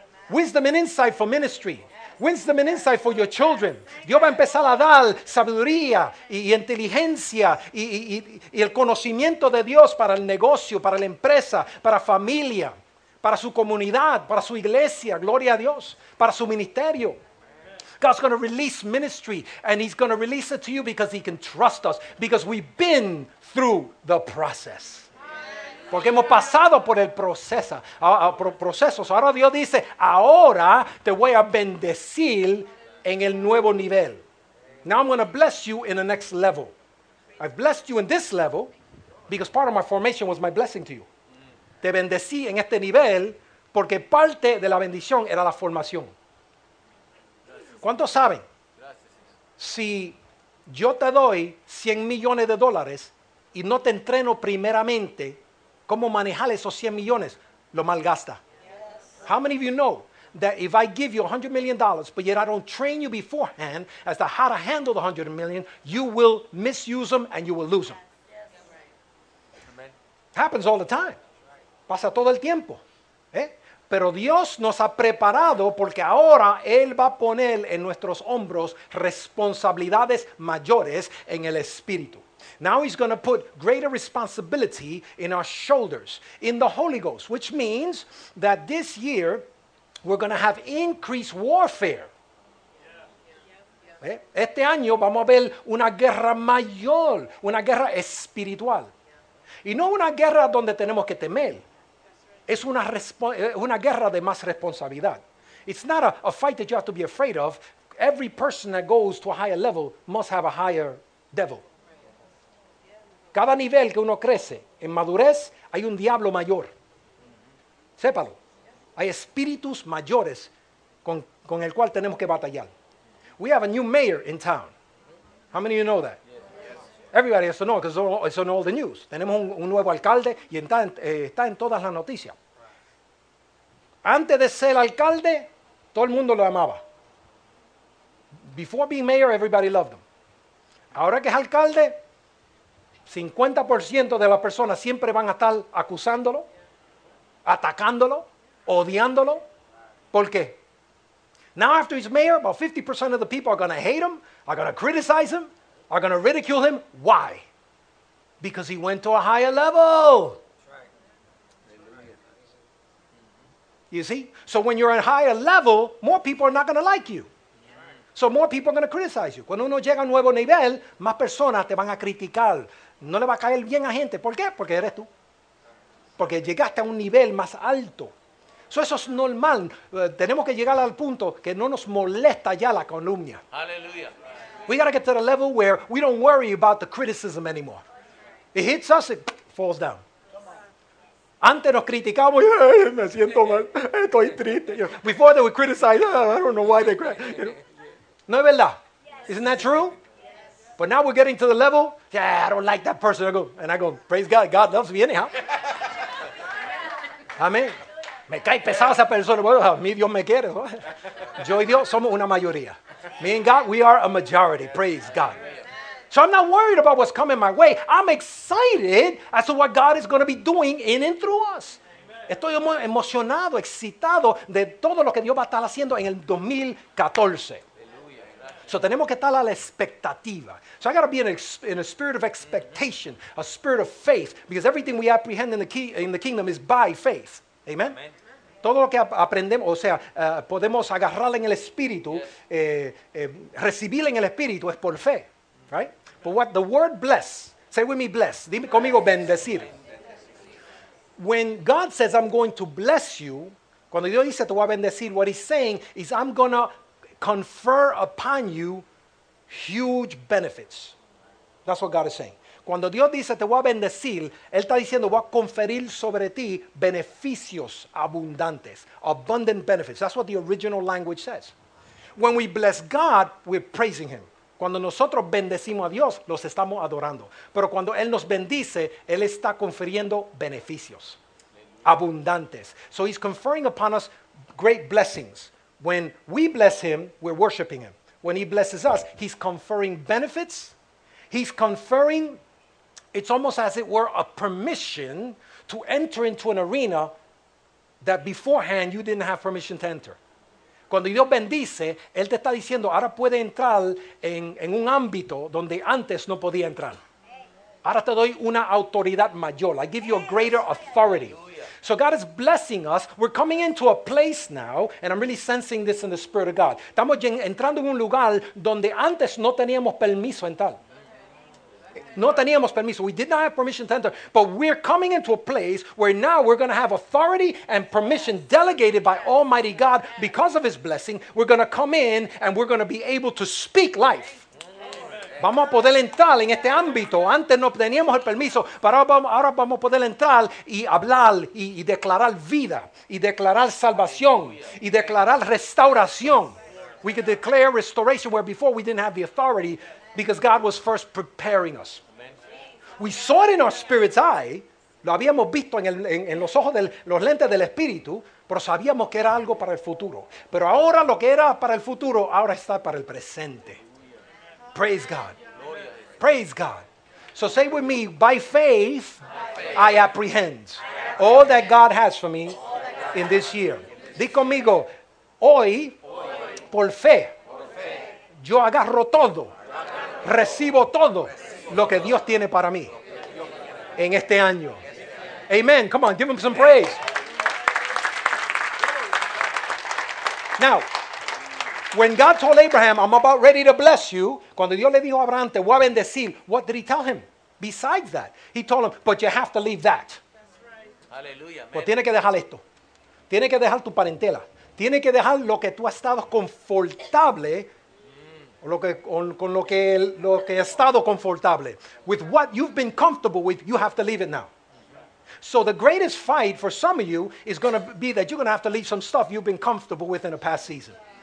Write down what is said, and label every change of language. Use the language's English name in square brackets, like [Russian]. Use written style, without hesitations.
[English] Wisdom and insight for ministry. Wisdom and insight for your children. [Spanish] Dios va a empezar a dar sabiduría y inteligencia y el conocimiento de Dios para el negocio, para la empresa, para familia, para su comunidad, para su iglesia, gloria a Dios, para su ministerio. [English] God's going to release ministry and he's going to release it to you because he can trust us because we've been through the process. [Spanish] Porque hemos pasado por el proceso. Ahora Dios dice, ahora te voy a bendecir en el nuevo nivel. [English] Now I'm going to bless you in the next level. I've blessed you in this level because part of my formation was my blessing to you. [Spanish] Te bendecí en este nivel porque parte de la bendición era la formación. ¿Cuántos saben? Si yo te doy 100 millones de dólares y no te entreno primeramente cómo manejar esos 100 millones, lo malgasta. [English] Yes. How many of you know that if I give you $100 million, but yet I don't train you beforehand as to how to handle the $100 million, you will misuse them and you will lose them? Yes. Happens all the time. [Spanish] Pasa todo el tiempo. Pero Dios nos ha preparado porque ahora Él va a poner en nuestros hombros responsabilidades mayores en el Espíritu. [English] Now He's going to put greater responsibility in our shoulders, in the Holy Ghost, which means that this year we're going to have increased warfare. [Spanish] Este año vamos a ver una guerra mayor, una guerra espiritual. Y no una guerra donde tenemos que temer. Es una guerra de más responsabilidad. [English] It's not a fight that you have to be afraid of. Every person that goes to a higher level must have a higher devil. [Spanish] Cada nivel que uno crece en madurez, hay un diablo mayor. Sépalo. Hay espíritus mayores con el cual tenemos que batallar. [English] We have a new mayor in town. How many of you know that? Everybody has to know because it's on all the news. [Spanish] Tenemos un nuevo alcalde y está en todas las noticias. Antes de ser alcalde, todo el mundo lo amaba. [English] Before being mayor, everybody loved him. [Spanish] Ahora que es alcalde, 50% de las personas siempre van a estar acusándolo, atacándolo, odiándolo. ¿Por qué? [English] Now after he's mayor, about 50% of the people are going to hate him, are going to criticize him, are going to ridicule him. Why? Because he went to a higher level. You see? So when you're at a higher level, more people are not going to like you. So more people are going to criticize you. [Spanish] Cuando uno llega a un nuevo nivel, más personas te van a criticar. No le va a caer bien a gente. ¿Por qué? Porque eres tú. Porque llegaste a un nivel más alto. So eso es normal. Tenemos que llegar al punto que no nos molesta ya la calumnia. Aleluya. [English] We got to get to the level where we don't worry about the criticism anymore. It hits us, it falls down. [Spanish] Antes nos criticamos, me siento mal, estoy triste. [English] You know, before they would criticize, I don't know why they cry. You know. [Spanish] No es verdad. [English] Yes. Isn't that true? Yes. But now we're getting to the level, yeah, I don't like that person. I go, praise God, God loves me anyhow. [Spanish] Amén. Me cae pesada esa persona. Bueno, a mí Dios me quiere. Yo y Dios somos una mayoría. [English] Me and God, we are a majority. Praise God. So I'm not worried about what's coming my way. I'm excited as to what God is going to be doing in and through us. [Spanish] Estoy emocionado, excitado de todo lo que Dios va a estar haciendo en el 2014. So tenemos que estar a la expectativa. [English] So I got to be in a spirit of expectation, a spirit of faith, because everything we apprehend in the kingdom is by faith. Amen? Amen. [Spanish] Todo lo que aprendemos, o sea, podemos agarrar en el Espíritu, recibir en el Espíritu es por fe, right? [English] But what the word bless, say with me bless, [Spanish] dime conmigo bendecir. [English] When God says I'm going to bless you, [Spanish] cuando Dios dice te voy a bendecir, [English] what he's saying is I'm going to confer upon you huge benefits. That's what God is saying. [Spanish] Cuando Dios dice, te voy a bendecir, Él está diciendo, voy a conferir sobre ti beneficios abundantes. [English] Abundant benefits. That's what the original language says. When we bless God, we're praising Him. [Spanish] Cuando nosotros bendecimos a Dios, los estamos adorando. Pero cuando Él nos bendice, Él está confiriendo beneficios abundantes. [English] So He's conferring upon us great blessings. When we bless Him, we're worshiping Him. When He blesses us, He's conferring benefits. He's conferring, it's almost as it were a permission to enter into an arena that beforehand you didn't have permission to enter. [Spanish] Cuando Dios bendice, Él te está diciendo, ahora puede entrar en un ámbito donde antes no podía entrar. Ahora te doy una autoridad mayor. [English] I give you a greater authority. So God is blessing us. We're coming into a place now, and I'm really sensing this in the Spirit of God. [Spanish] Estamos entrando en un lugar donde antes no teníamos permiso entrar. No teníamos permiso. [English] We did not have permission to enter. But we're coming into a place where now we're going to have authority and permission delegated by Almighty God because of His blessing. We're going to come in and we're going to be able to speak life. [Spanish] Vamos a poder entrar en este ámbito. Antes no teníamos el permiso, pero ahora vamos a poder entrar y hablar y declarar vida, y declarar salvación, y declarar restauración. [English] We could declare restoration where before we didn't have the authority because God was first preparing us. We saw it in our spirit's eye. [Spanish] Lo habíamos visto en los ojos de los lentes del Espíritu, pero sabíamos que era algo para el futuro. Pero ahora lo que era para el futuro, ahora está para el presente. [English] Praise God. Praise God. So say with me, by faith, I apprehend all that God has for me in this year. [Spanish] Di conmigo, hoy, por fe, yo agarro todo, recibo todo lo que Dios tiene para mí en este año. [English] Amen. Come on, give him some praise. Now, when God told Abraham, I'm about ready to bless you. Cuando Dios le dijo a Abraham, te voy a bendecir. What did he tell him? Besides that, he told him, but you have to leave that. Hallelujah. [Spanish] Pues tiene que dejar esto. Tiene que dejar tu parentela. Tiene que dejar lo que tú has estado confortable. Lo que has estado confortable. [English] With what you've been comfortable with, you have to leave it now. So the greatest fight for some of you is going to be that you're going to have to leave some stuff you've been comfortable with in a past season.